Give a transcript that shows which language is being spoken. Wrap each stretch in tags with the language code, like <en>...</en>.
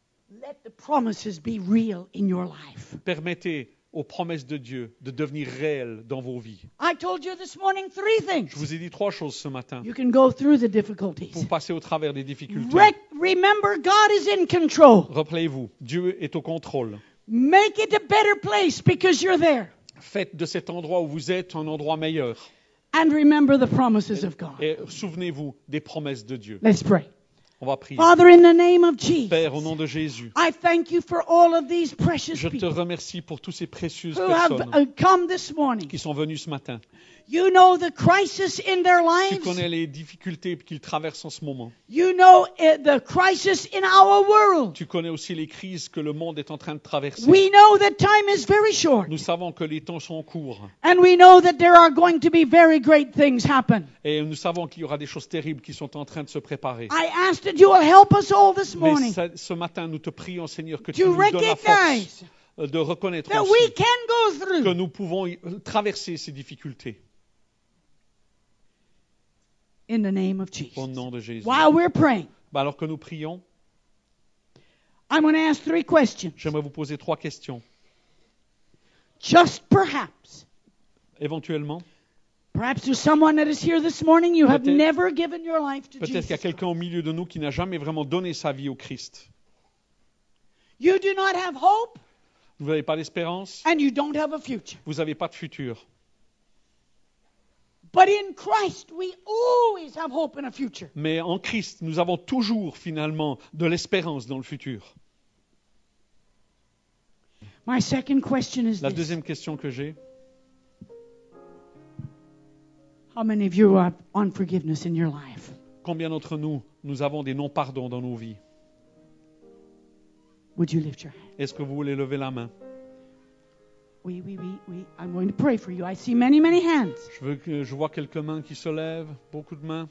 <en>Let the promises be real in your life.</en> <fr>Permettez aux promesses de Dieu de devenir réelles dans vos vies.</fr> <en>I told you this morning three things.</en> <fr>Je vous ai dit trois choses ce matin.</fr> <en>You can go through the difficulties.</en> <fr>Pour passer au travers des difficultés.</fr> <en>Remember, God is in control.</en> <fr>Rappelez-vous, Dieu est au contrôle.</fr> <en>Make it a better place because you're there.</en> <fr>Faites de cet endroit où vous êtes un endroit meilleur.</fr> <en>And remember the promises of God.</en> <fr>Et souvenez-vous des promesses de Dieu.</fr> <en>Let's pray.</en> <fr>On va prier.</fr> <en>Father, in the name of Jesus,</en> <fr>Père, au nom de Jésus,</fr> <en>I thank you for all of these precious</en> <fr>je te remercie pour toutes ces précieuses</fr> <en>who</en> <fr>personnes</fr> <en>have come this morning,</en> <fr>qui sont venues ce matin.</fr> <en>You know the crisis in their lives.</en> <fr>Tu connais les difficultés qu'ils traversent en ce moment.</fr> <en>You know the crisis in our world.</en> <fr>Tu connais aussi les crises que le monde est en train de traverser.</fr> <en>We know that time is very short.</en> <fr>Nous savons que les temps sont courts.</fr> <en>And we know that there are going to be very great things happen.</en> <fr>Et nous savons qu'il y aura des choses terribles qui sont en train de se préparer.</fr> <en>I ask that you will help us all this morning.</en> <fr>Mais ce matin, nous te prions, Seigneur, que tu nous donnes la force de reconnaître</fr> <en>that we can go through.</en> <fr>Que nous pouvons traverser ces difficultés.</fr> <en>In the name of Jesus.</en> <fr>Au nom de Jésus.</fr> <en>While we're praying.</en> <fr>Ben alors que nous prions.</fr> <en>I'm going to ask three questions.</en> <fr>J'aimerais vous poser trois questions.</fr> <en>Just perhaps.</en> <fr>Éventuellement.</fr> <en>Perhaps to someone that is here this morning, you have never given your life to</en> <fr>peut-être</fr> <en>Jesus.</en> <fr>Peut-être qu'il y a quelqu'un au milieu de nous qui n'a jamais vraiment donné sa vie au Christ.</fr> <en>You do not have hope.</en> <fr>Vous n'avez pas d'espérance.</fr> <en>And you don't have a future.</en> <fr>Vous n'avez pas de futur.</fr> <en>But in Christ, we always have hope in a future.</en> <fr>Mais en Christ, nous avons toujours finalement de l'espérance dans le futur.</fr> <en>My second question is</en> <fr>la deuxième question que j'ai.</fr> <en>How many of you have unforgiveness in your life?</en> <fr>Combien d'entre nous, nous avons des non-pardons dans nos vies?</fr> <en>Would you lift your hand?</en> <fr>Est-ce que vous voulez lever la main? Oui.</fr> <en>I'm going to pray for you. I see many, many hands.</en> <fr>Je vois quelques mains qui se lèvent, beaucoup de mains.</fr>